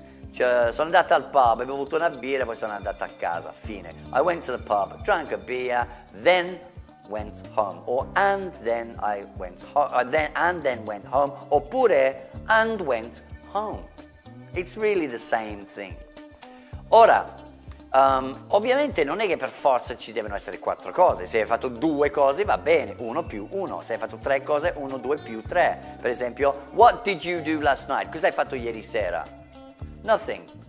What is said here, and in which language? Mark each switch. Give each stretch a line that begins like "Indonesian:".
Italian: Cioè, sono andato al pub, ho bevuto una birra, poi sono andato a casa, fine.
English: I went to the pub, drank a beer, then went home. Or and then I went home, then, and then went home,
Italian: oppure
English: and went home. It's really the same thing.
Italian: Ora, ovviamente non è che per forza ci devono essere 4 cose. Se hai fatto 2 cose va bene, 1 più 1. Se hai fatto 3 cose, 1, 2 più 3. Per esempio,
English: what did you do last night?
Italian: Cosa hai fatto ieri sera?
English: Nothing.